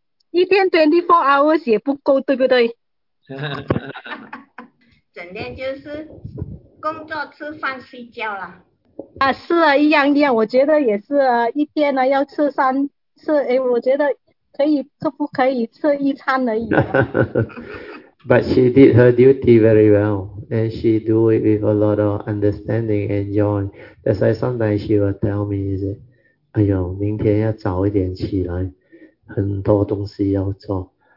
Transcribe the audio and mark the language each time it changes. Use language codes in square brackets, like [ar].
[zh] 一天 24 hours 也不够，对不对？整天就是工作、吃饭、睡觉啦。啊，是啊，一样一样，我觉得也是啊，一天呢要吃三次，哎，我觉得可以，可不可以吃一餐而已、啊。 [en] But she did her duty very well, and she do it with a lot of understanding and joy. That's why sometimes she will tell me, "Is it? [zh] 哎呦，明天要早一点起来，很多东西要做。